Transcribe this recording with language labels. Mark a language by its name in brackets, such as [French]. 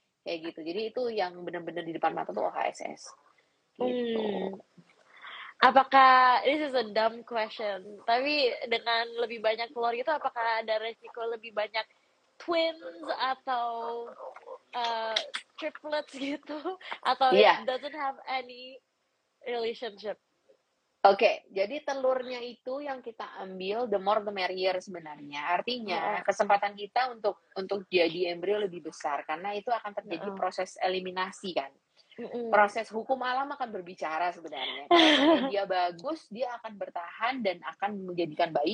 [Indonesian] Kayak gitu, jadi itu yang benar-benar di depan mata tuh OHSS. Gitu. Apakah, [English] this is a dumb question, [Indonesian] tapi dengan lebih banyak telur itu, apakah ada resiko lebih banyak twins atau triplets gitu? Atau [English] it doesn't have any relationship? [Indonesian] Okay, jadi telurnya itu yang kita ambil, [English] the more the merrier [Indonesian] sebenarnya. Artinya, kesempatan kita untuk jadi embrio lebih besar, karena itu akan terjadi proses eliminasi kan. Proses hukum alam akan berbicara sebenarnya. Kalau dia bagus, dia akan bertahan dan akan menjadikan bayi.